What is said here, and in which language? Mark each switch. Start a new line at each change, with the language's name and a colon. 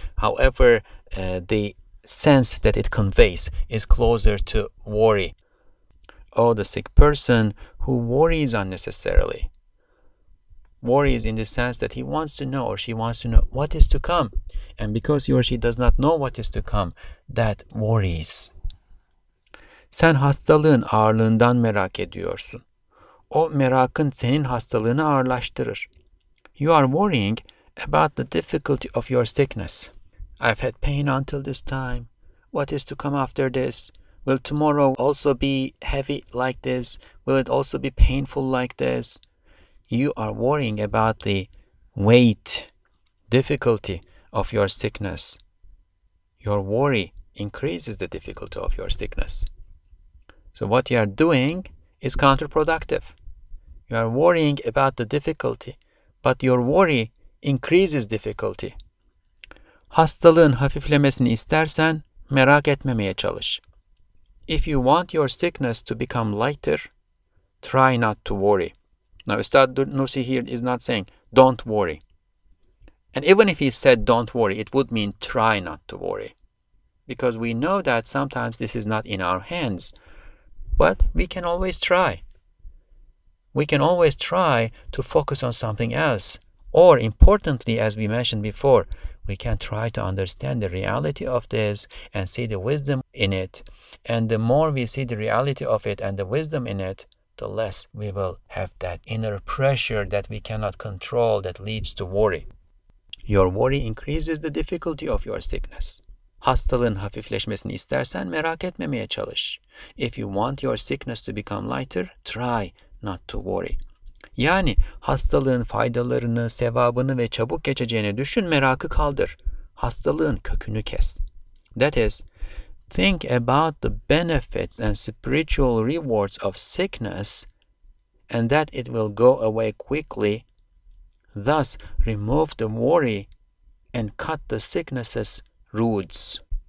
English: However, the sense that it conveys is closer to worry. Oh, the sick person who worries unnecessarily. Worries in the sense that he wants to know, or she wants to know, what is to come. And because he or she does not know what is to come, that worries.
Turkish: Sen hastalığın ağırlığından merak ediyorsun. O merakın senin hastalığını ağırlaştırır.
English: You are worrying about the difficulty of your sickness. I've had pain until this time. What is to come after this? Will tomorrow also be heavy like this? Will it also be painful like this? You are worrying about the weight, difficulty of your sickness. Your worry increases the difficulty of your sickness. So what you are doing is counterproductive. You are worrying about the difficulty, but your worry increases difficulty.
Turkish: Hastalığın hafiflemesini istersen, merak etmemeye çalış.
English: If you want your sickness to become lighter, try not to worry. Now, Üstad Nursi here is not saying, don't worry. And even if he said, don't worry, it would mean, try not to worry. Because we know that sometimes this is not in our hands. But we can always try. We can always try to focus on something else. Or, importantly, as we mentioned before, we can try to understand the reality of this and see the wisdom in it. And the more we see the reality of it and the wisdom in it, the less we will have that inner pressure that we cannot control that leads to worry. Your worry increases the difficulty of your sickness.
Turkish: Hastalığın hafifleşmesini istersen merak etmemeye çalış.
English: If you want your sickness to become lighter, try not to worry.
Turkish: Yani hastalığın faydalarını, sevabını ve çabuk geçeceğini düşün, merakı kaldır. Hastalığın kökünü kes.
English: That is, think about the benefits and spiritual rewards of sickness and that it will go away quickly. Thus, remove the worry and cut the sickness's roots.